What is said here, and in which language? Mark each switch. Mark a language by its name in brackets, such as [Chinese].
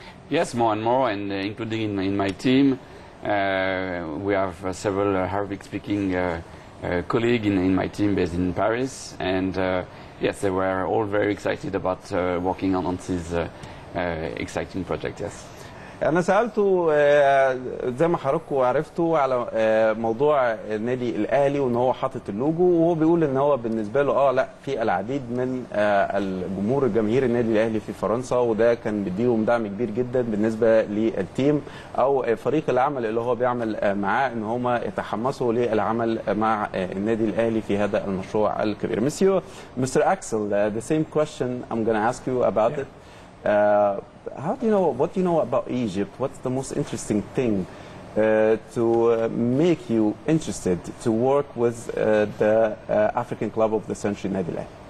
[English] Yes, more and more, and including in my team. We have several Arabic-speaking colleagues in my team based in Paris, and yes, they were all very excited about working on this exciting project, yes. [Arabic] أنا سألته زي ما حضراتكم عرفتوا على موضوع النادي الأهلي وإن هو حاطط اللوجو، وهو بيقول إن هو بالنسبة له لا، في العديد من الجمهور الجماهير النادي الأهلي في فرنسا، وده كان بيديهم دعم كبير جدا بالنسبة للتيم أو فريق العمل اللي هو بيعمل معاه، إن هما يتحمسوا للعمل مع النادي الأهلي في هذا المشروع الكبير. [English] مسيو mister Axel, the same question I'm gonna ask you about it. How do you know, what do you know about Egypt? What's the most interesting thing to make you interested to work with the African club of the century, Nadi Al Ahli?